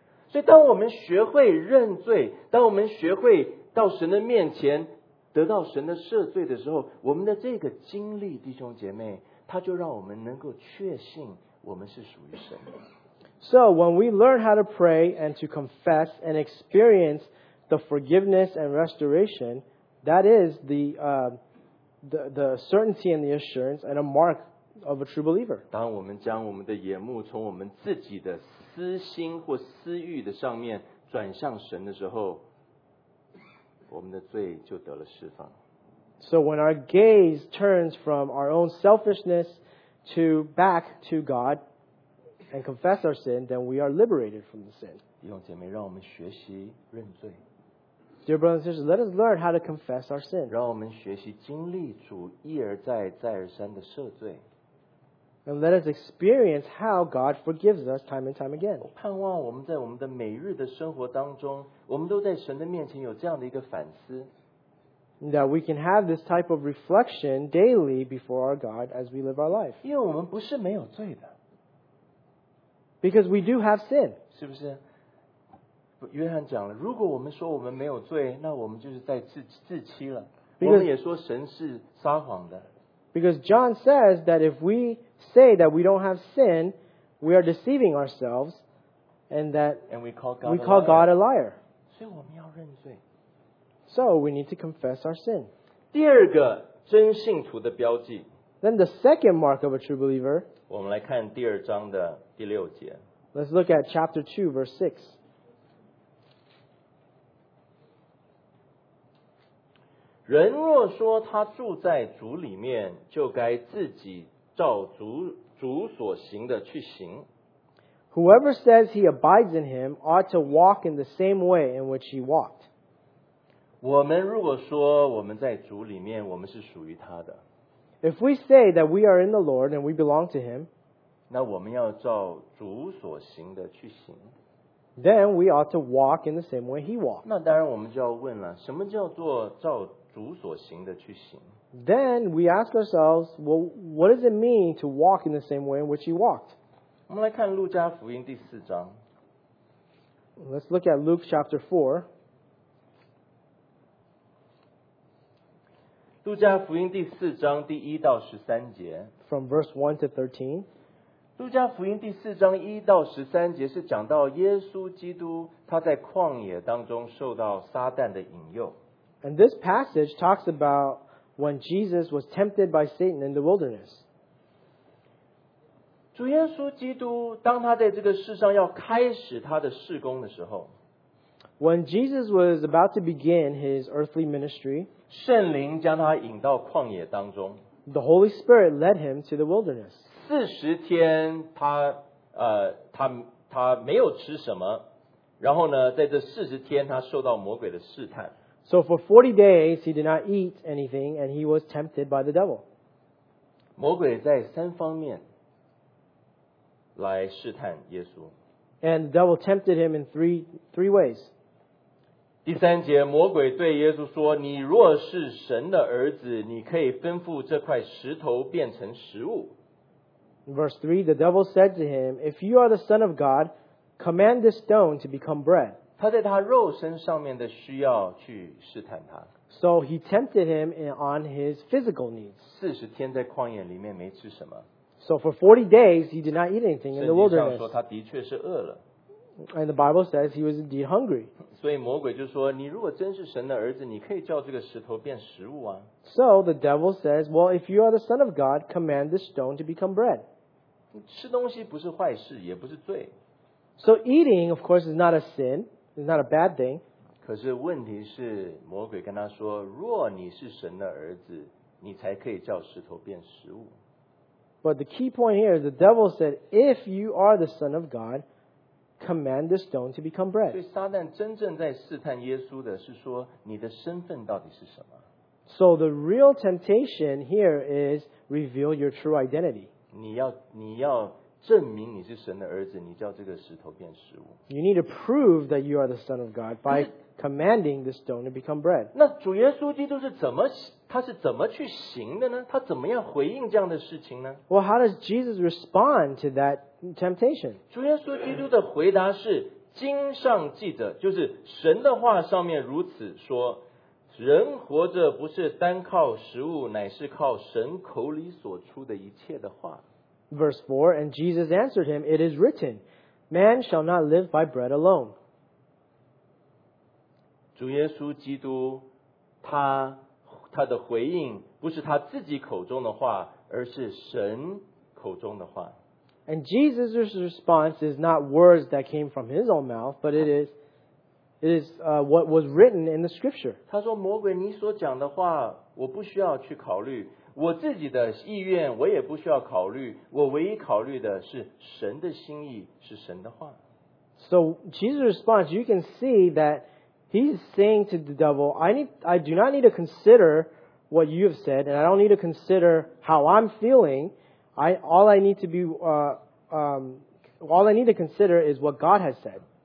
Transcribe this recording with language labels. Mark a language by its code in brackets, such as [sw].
[zh] 所以当我们学会认罪，当我们学会到神的面前得到神的赦罪的时候，我们的这个经历，弟兄姐妹，它就让我们能够确信我们是属于神的。 [en] So when we learn how to pray and to confess and experience the forgiveness and restoration, that is the certainty and the assurance and a mark of a true believer. [zh] 当我们将我们的眼目从我们自己的私心或私欲的上面转向神的时候，我们的罪就得了释放。 [en] So when our gaze turns from our own selfishness to back to God and confess our sin, then we are liberated from the sin. [zh] 弟兄姐妹，让我们学习认罪。 [en] Dear brothers and sisters, let us learn how to confess our sin. [zh] 让我们学习经历主一而再、再而三的赦罪。 [en] And let us experience how God forgives us time and time again. [zh] 我盼望我们在我们的每日的生活当中，我们都在神的面前有这样的一个反思。 [en] That we can have this type of reflection daily before our God as we live our life. [zh] 因为我们不是没有罪的。 [en] Because we do have sin. [zh] 是不是？约翰讲了，如果我们说我们没有罪，那我们就是在自欺了。我们也说神是撒谎的。 [en] Because John says that if we say that we don't have sin, we are deceiving ourselves, and that we call God a liar. [zh] 所以我们要认罪。 [en] So we need to confess our sin. [zh] 第二个真信徒的标记。 [en] Then the second mark of a true believer. [zh] 我们来看第二章的第六节。 [en] Let's look at chapter 2, verse 6. [zh] 人若说他住在主里面，就该自己照主所行的去行。 [en] Whoever says he abides in him ought to walk in the same way in which he walked. [zh] 我们如果说我们在主里面，我们是属于他的。 [en] If we say that we are in the Lord and we belong to Him, [zh] 那我们要照主所行的去行。 [en] Then we ought to walk in the same way He walked. [zh] 那当然我们就要问了，什么叫做照主所行的去行？ [en] Then we ask ourselves, well, what does it mean to walk in the same way in which He walked? [zh] 我们来看路加福音第四章。 [en] Let's look at Luke chapter 4. [zh] 路加福音第四章第一到十三节。 [en] From verse 1 to 13. [zh] 路加福音第四章一到十三节是讲到耶稣基督他在旷野当中受到撒旦的引诱。 [en] And this passage talks about when Jesus was tempted by Satan in the wilderness. [zh] 主耶稣基督当他在这个世上要开始他的事工的时候。 [en] When Jesus was about to begin his earthly ministry, [zh] 圣灵将他引到旷野当中。 [en] The Holy Spirit led him to the wilderness. [zh] 四十天他没有吃什么，然后呢，在这四十天他受到魔鬼的试探。 [en] So for 40 days he did not eat anything and he was tempted by the devil. [zh] 魔鬼在三方面来试探耶稣。 [en] And the devil tempted him in three ways. [zh] 第三节，魔鬼对耶稣说：“你若是神的儿子，你可以吩咐这块石头变成食物。” [en] Verse 3, the devil said to him, "If you are the Son of God, command this stone to become bread." [zh] 他在他肉身上面的需要去试探他。 [en] So he tempted him on his physical needs. [zh] 四十天在旷野里面没吃什么。 [en] So for 40 days, he did not eat anything in the wilderness. [zh] 圣经上说他的确是饿了。 [en] And the Bible says he was indeed hungry. [zh] 所以魔鬼就说，你如果真是神的儿子，你可以叫这个石头变食物啊。 [en] So the devil says, well, if you are the son of God, command this stone to become bread. [zh] 吃东西不是坏事，也不是罪。 [en] So eating, of course, is not a sin. It's not a bad thing. [zh] 可是问题是，魔鬼跟他说，若你是神的儿子，你才可以叫石头变食物。 [en] But the key point here is the devil said, if you are the son of God, command the stone to become bread. [zh] 所以撒旦真正在试探耶稣的是说，你的身份到底是什么？ [en] So the real temptation here is reveal your true identity. [zh] 你要证明你是神的儿子，你叫这个石头变食物。 [en] You need to prove that you are the son of God by commanding the stone to become bread. [zh] 那主耶稣基督是怎么他是怎么去行的呢？他怎么样回应这样的事情呢？ [en] Well, how does Jesus respond to that temptation? [zh] 主耶稣基督的回答是经上记着，就是神的话上面如此说，人活着不是单靠食物，乃是靠神口里所出的一切的话。 [en] Verse 4, and Jesus answered him, it is written, man shall not live by bread alone. [zh] 主耶稣基督他的回应不是他自己口中的话，而是神口中的话。 [en] And Jesus' response is not words that came from his own mouth, but it is what was written in the scripture. [zh] 他说，魔鬼，你所讲的话，我不需要去考虑，我自己的意愿我也不需要考虑，我唯一考虑的是神的心意，是神的话。 [en] So Jesus' response, you can see that He's saying to the devil, I do not need to consider what you have said, and I don't need to consider how I'm feeling. All I need to consider is what God has said.